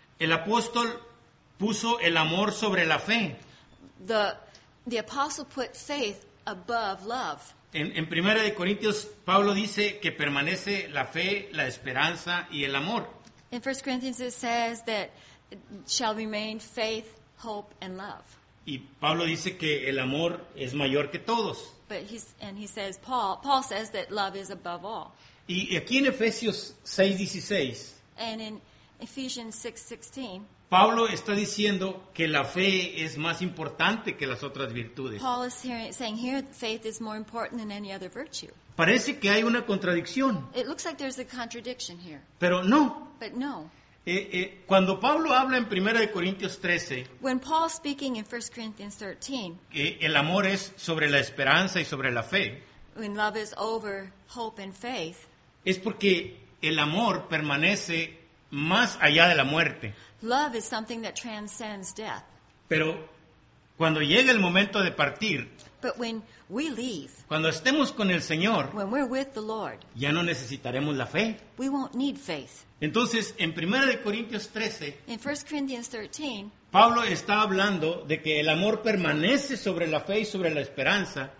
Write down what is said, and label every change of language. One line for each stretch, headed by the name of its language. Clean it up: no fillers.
Spanish: El apóstol puso el amor sobre la fe.
English: The apostle put faith above love.
Spanish: En 1 Corintios, Pablo dice que permanece la fe, la esperanza y el amor.
English: In 1 Corinthians it says that shall remain faith, hope, and love.
Spanish: Y Pablo dice que el amor es mayor que todos.
English: But Paul says that love is above all.
Spanish: Y aquí en Efesios 6:16.
English: And in Ephesians 6:16.
Spanish: Pablo está diciendo que la fe es más importante que las otras virtudes.
English: Paul is saying here that faith is more important than any other virtue.
Spanish: Parece que hay una contradicción.
English: It looks like there's a contradiction here.
Spanish: Pero no.
English: But no.
Spanish: Cuando Pablo habla en 1 Corintios 13,
English: when Paul speaking in 1 Corinthians 13,
Spanish: el amor es sobre la esperanza y sobre la fe.
English: When love is over hope and faith,
Spanish: es porque el amor permanece más allá de la muerte.
English: Love is something that transcends death.
Spanish: Pero cuando llega el momento de partir,
English: but when we leave,
Spanish: cuando estemos con el Señor,
English: when we're with the Lord,
Spanish: ya no necesitaremos la fe.
English: We won't need faith.
Spanish: Entonces, en 1 Corintios 13,
English: in 1 Corinthians 13,
Spanish: Pablo está hablando de que el amor permanece sobre la fe y sobre la esperanza.